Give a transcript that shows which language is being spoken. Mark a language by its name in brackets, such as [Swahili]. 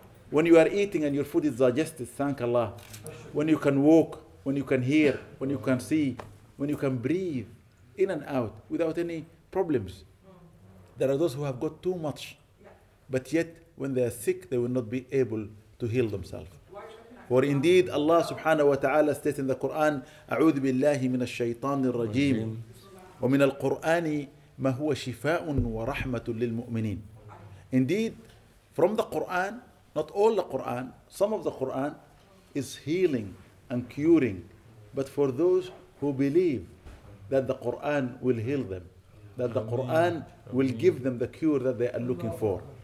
[English] When you are eating and your food is digested, thank Allah. When you can walk, when you can hear, when you can see, when you can breathe in and out without any problems. There are those who have got too much, but yet when they are sick, they will not be able to heal themselves. For indeed, Allah subhanahu wa ta'ala states in the Quran, [Arabic] أعوذ بالله من الشيطان الرجيم ومن القرآن ما هو شفاء ورحمة للمؤمنين. [English] Indeed, from the Quran, not all the Quran, some of the Quran is healing and curing. But for those who believe that the Quran will heal them, that the Quran will give them the cure that they are looking for.